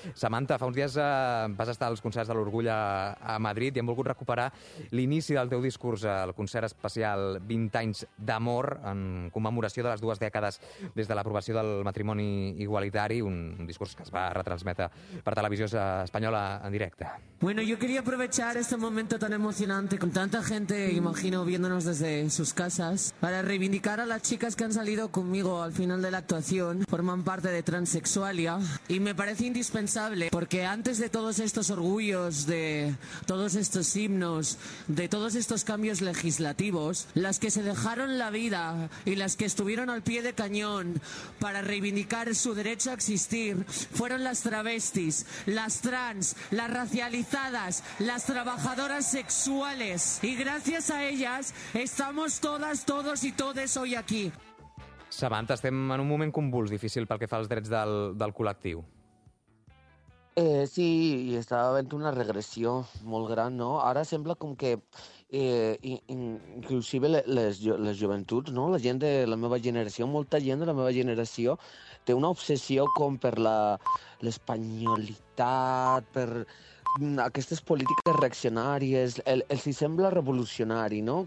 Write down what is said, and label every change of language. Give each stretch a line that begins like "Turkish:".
Catalan: Samantha, fa uns dies vas estar als concerts de l'Orgull a Madrid i hem volgut recuperar l'inici del teu discurs al concert especial 20 anys d'amor, en commemoració de les dues dècades des de l'aprovació del matrimoni igualitari, un discurs que es va retransmetre per televisió espanyola en directe.
Spanish: Bueno, yo quería aprovechar este momento tan emocionante con tanta gente, imagino, viéndonos desde sus casas, para reivindicar a las chicas que han salido conmigo al final de la actuación, forman parte de Transsexualia, y me parece indispensable, porque antes de todos estos orgullos, de todos estos himnos, de todos estos cambios legislativos, las que se dejaron la vida y las que estuvieron al pie de cañón para reivindicar su derecho a existir fueron las travestis, las trans, las racializadas, las trabajadoras sexuales. Y gracias a ellas estamos todas, todos y todes hoy aquí.
Catalan: Samantha, estem en un moment convuls, difícil pel que fa als drets del col·lectiu. Sí, i estava havent una regressió molt gran, no? Ara sembla com que inclusive les joventuts, no? La gent de la meva generació, molta gent de la meva generació, té una obsessió com per l'espanyolitat, per aquestes polítiques reaccionàries, els hi sembla revolucionari, no?